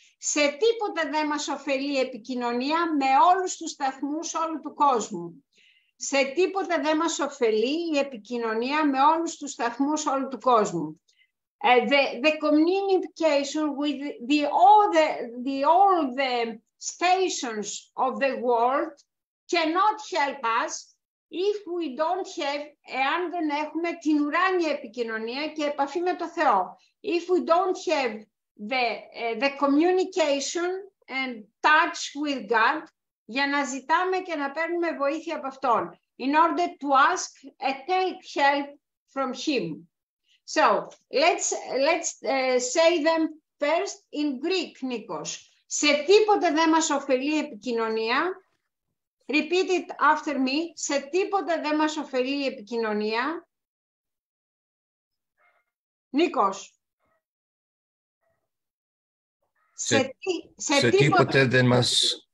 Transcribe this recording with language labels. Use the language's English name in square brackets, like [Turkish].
[Greek] Σε τίποτα δεν μας ωφελεί επικοινωνία με όλους τους σταθμούς όλου του κόσμου. Σε τίποτα δεν μας ωφελεί η επικοινωνία με όλους τους σταθμούς όλου του κόσμου. [English] The communication with all the stations of the world cannot help us if we don't have, [Greek] εάν δεν έχουμε την ουράνια επικοινωνία και επαφή με το Θεό. [English] If we don't have the communication and touch with God, [Greek] για να ζητάμε και να παίρνουμε βοήθεια από Αυτόν. [English] In order to ask a take help from Him. So, let's say them first in Greek, Nikos. [Greek] Σε τίποτε δεν μας ωφελεί η επικοινωνία. [English] Repeat it after me. [Greek] Σε τίποτε δεν μας ωφελεί η επικοινωνία. Νίκος. Σε τίποτε δεν μας